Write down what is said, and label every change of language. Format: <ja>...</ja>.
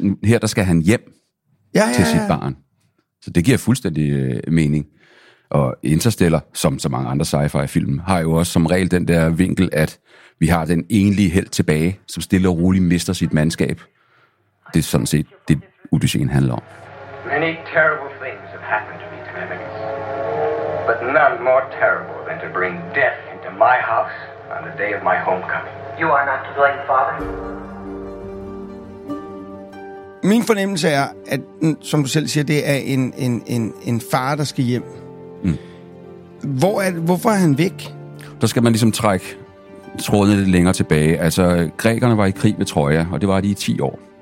<da>her der skal han hjem til sit barn. Så det giver fuldstændig mening. Og Interstellar, som så mange andre sci-fi-film, har jo også som regel den der vinkel, at vi har den enlige held tilbage, som stille og roligt mister sit mandskab. Det er sådan set det, Odysseen handler om.</da> <en>Many terrible things have happened to me, Telemachus. But none more terrible than to bring death into my house on the day of my homecoming. You are not to blame, father.</en> <da>Min fornemmelse er, at som du selv siger, det er en far, der skal hjem. Mm. Hvorfor er han væk? Der skal man ligesom trække trådene lidt længere tilbage. Altså, grækerne var i krig med Troja, og det var de i 10 år.</da>